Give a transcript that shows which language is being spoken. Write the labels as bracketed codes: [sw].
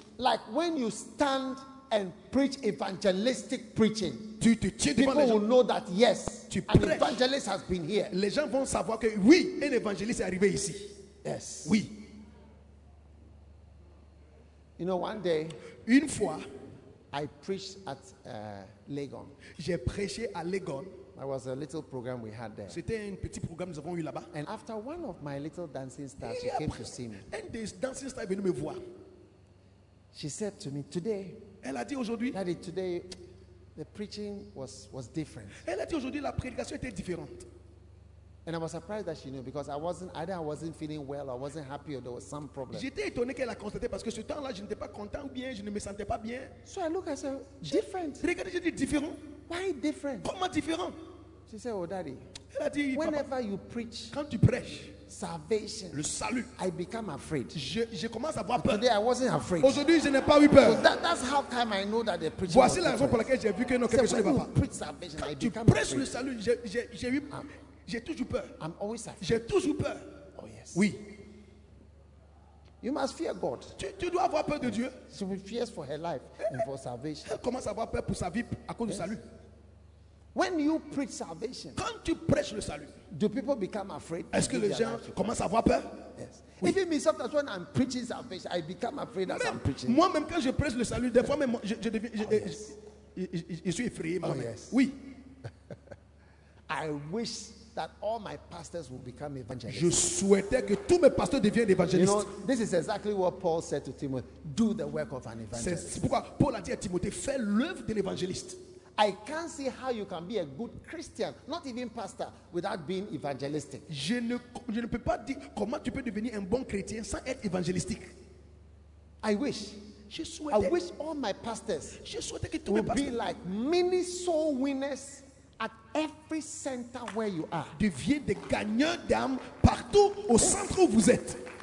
[en] like when you stand and preach evangelistic preaching, [fr] tu [en] people [fr] gens, [en] will know that yes, [fr] tu [en] an [fr] prêches, [en] evangelist has been here. [fr] Les gens vont savoir que oui, un évangéliste est arrivé ici. [en] Yes. [fr] Oui. [en] You know, one day, [fr] une fois, [en] I preached at Legon. [fr] J'ai prêché à Legon. [en] It was a little program we had there. [fr] C'était un petit programme que nous avons eu là-bas. [en] And after one of my little dancing stars, she came to see me. [fr] Un des [en] dancing stars [fr] est venu me voir. [en] She said to me today. [fr] Elle a dit aujourd'hui. [en] Daddy, today the preaching was different. [fr] Elle a dit aujourd'hui la prédication était différente. [en] And I was surprised that she knew because I wasn't feeling well or wasn't happy or there was some problem. [fr] J'étais étonné qu'elle a constaté parce que ce temps-là je n'étais pas content ou bien je ne me sentais pas bien. [en] So I look at her, different. [fr] Regardez, j'ai dit différent. [en] Why different? [fr] Comment différent? [en] She said, oh daddy, [fr] elle a dit, [en] whenever [fr] papa, [en] you preach [fr] quand tu prêches, [en] salvation, [fr] le salut, [en] I become afraid. [fr] Je commence à avoir peur. [en] Today I wasn't afraid. [fr] Aujourd'hui, je n'ai pas eu peur. [en] So that's how come I know that the preaching [fr] voici la raison pour laquelle j'ai vu que non, quelque chose ne va pas. [en] When you preach salvation, [fr] quand [en] I become [fr] tu prêches [en] afraid. [fr] Le salut, j'ai toujours peur. [en] I'm always afraid. [fr] J'ai toujours peur. [en] Oh yes. [fr] Oui. [en] You must fear God. [fr] Tu dois avoir peur de Dieu. [en] She fears for her life and for salvation. [fr] Elle commence à avoir peur pour sa vie à cause du salut. [en] When you preach salvation, [fr] quand tu prêches le salut, [en] do people become afraid? [fr] Est-ce que les gens commencent à avoir peur? [en] Yes. [fr] Oui. [en] Even me, sometimes when I'm preaching salvation, I become afraid as I'm preaching. [fr] Moi-même, quand je prêche le salut, des fois même, je suis effrayé. [en] Oh, yes. [fr] Oui. [en] I wish that all my pastors will become evangelists. [fr] Je souhaitais que tous mes pasteurs deviennent évangélistes. [en] You know, this is exactly what Paul said to Timothy. Do the work of an evangelist. [fr] C'est pourquoi Paul a dit à Timothée, fais l'œuvre de l'évangéliste. [en] I can't see how you can be a good Christian, not even pastor, without being evangelistic. [fr] Je ne peux pas dire comment tu peux devenir un bon chrétien sans être évangélistique. [en] I wish. [fr] Je souhaitais. [en] I wish all my pastors. [fr] Je souhaitais que tous mes pasteurs [en] be like mini soul winners at every center where you are. [fr] Deviennent des gagneurs d'âme partout au centre où vous êtes.